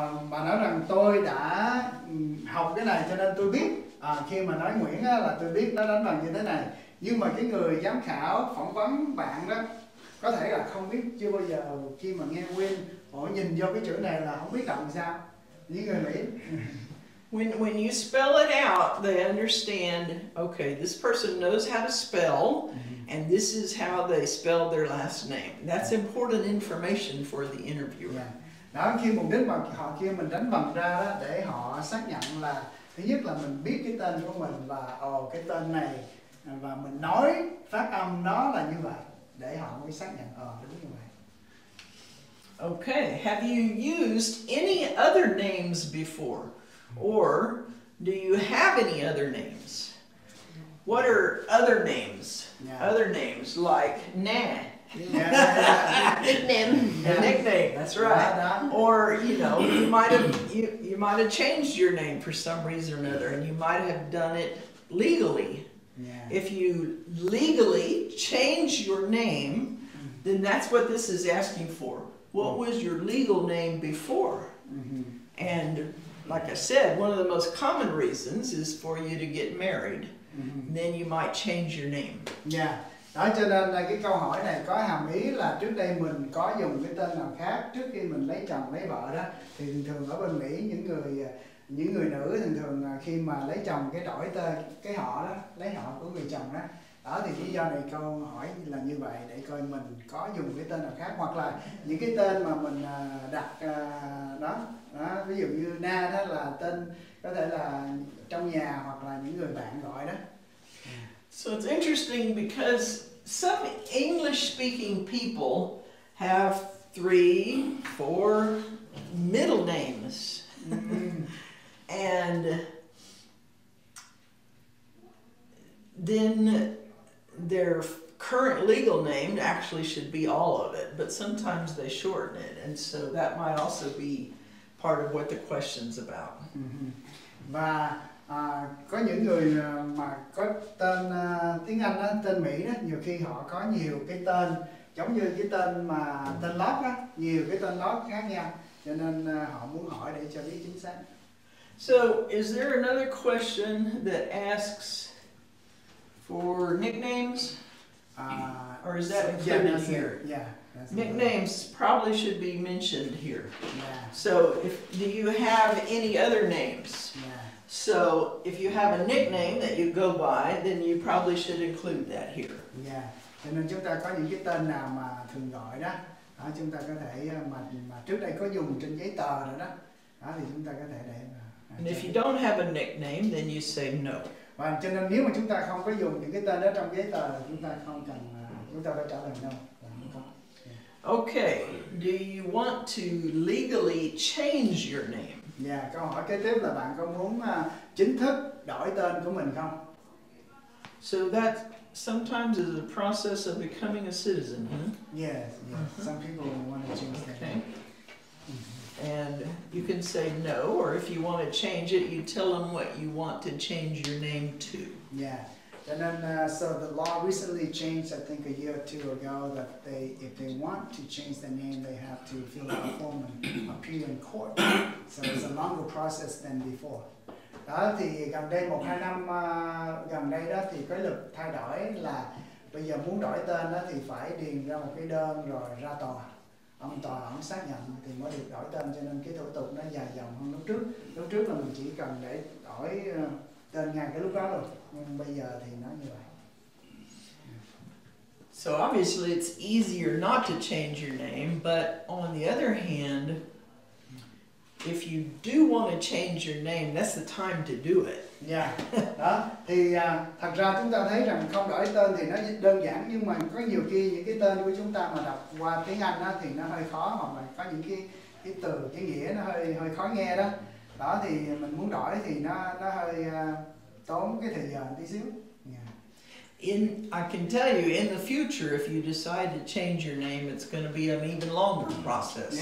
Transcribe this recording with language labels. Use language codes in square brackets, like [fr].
[vi] Bà nói rằng tôi đã học cái này cho nên tôi biết. Khi mà nói Nguyễn á, là tôi biết nó đánh bằng như thế này. Nhưng mà cái người giám khảo phỏng vấn bạn đó, có thể là không biết, chưa bao giờ khi mà nghe win họ nhìn vô cái chữ này là không biết làm sao. Những người Mỹ. [en] When you spell it out, they understand, okay, this person knows how to spell, and this is how they spell their last name. That's important information for the interviewer. Yeah. [vi] Đó, khi mình đánh bằng, họ kêu mình đánh bằng ra để họ xác nhận là, thứ nhất là mình biết cái tên của mình và cái tên này, và mình nói phát âm nó là như vậy. Để họ mới xác nhận, đúng như vậy. [en] Okay, have you used any other names before? Or do you have any other names? What are other names? Yeah. Other names like Nah. Yeah. Nickname. Yeah. Nickname, that's right. Or you know, you might have changed your name for some reason or another, and you might have done it legally. Yeah. If you legally change your name, then that's what this is asking for. What was your legal name before? Mm-hmm. And like I said, one of the most common reasons is for you to get married. Mm-hmm. Then you might change your name. Yeah. [vi] Đó cho nên là cái câu hỏi này có hàm ý là trước đây mình có dùng cái tên nào khác trước khi mình lấy chồng lấy vợ đó. Thì thường thường ở bên Mỹ những người nữ thường thường khi mà lấy chồng cái đổi tên cái họ đó, lấy họ của người chồng đó. Đó thì lý do này câu hỏi là như vậy để coi mình có dùng cái tên nào khác hoặc là những cái tên mà mình đặt đó ví dụ như Na đó là tên có thể là trong nhà hoặc là những người bạn gọi đó. [en] So it's interesting because some English speaking people have 3-4 middle names. And then their current legal name actually should be all of it, but sometimes they shorten it, and so that might also be part of what the question's about. [vi] Và có những người mà có tên tiếng Anh á, tên Mỹ đó, nhiều khi họ có nhiều cái tên giống như cái tên mà tên lót á, nhiều cái tên lót khác nhau, cho nên họ muốn hỏi để cho biết chính xác. [en] So, is there another question that asks for nicknames, or is that included here? Yeah, nicknames probably should be mentioned here. Yeah. So, if do you have any other names? Yeah. So, if you have a nickname that you go by, then you probably should include that here. Yeah. [vi] Cho nên chúng ta có những cái tên nào mà thường gọi đó, đó chúng ta có thể mà trước đây có dùng trên giấy tờ rồi đó, đó thì chúng ta có thể để. [en] And if you don't have a nickname, then you say no. [vi] Và cho nên nếu mà chúng ta không có dùng những cái tên đó trong giấy tờ thì chúng ta không cần chúng ta phải trả lời no. [en] Okay, do you want to legally change your name? [vi] Yeah, câu hỏi kế tiếp là bạn có muốn chính thức đổi tên của mình không? [en] So that sometimes is a process of becoming a citizen, huh? Yes, yes. Some people want to change their name. Okay. And you can say no, or if you want to change it, you tell them what you want to change your name to. Yeah. And then, so the law recently changed, I think, a year or two ago, that they, if they want to change their name, they have to fill out a form and appear in court. So it's a longer process than before. [vi] Đó thì gần đây, một hai năm gần đây đó, thì cái luật thay đổi là bây giờ muốn đổi tên đó thì phải điền ra một cái đơn rồi ra tòa. Ông tòa ông xác nhận thì mới được đổi tên cho nên cái thủ tục nó dài dòng hơn lúc trước. Lúc trước là mình chỉ cần để đổi tên ngay cái lúc đó rồi. Nhưng bây giờ thì nó như vậy. [en] So obviously it's easier not to change your name, but on the other hand, if you do want to change your name, that's the time to do it. [vi] Yeah. Đó. Thì thật ra chúng ta thấy rằng không đổi tên thì nó đơn giản, nhưng mà có nhiều khi những cái tên của chúng ta mà đọc qua tiếng Anh đó, thì nó hơi khó, hoặc là có những cái từ cái nghĩa nó hơi khó nghe đó. Đó thì mình muốn đổi thì nó hơi tốn cái thời gian tí xíu. [en] I can tell you, in the future, if you decide to change your name, it's going to be an even longer process.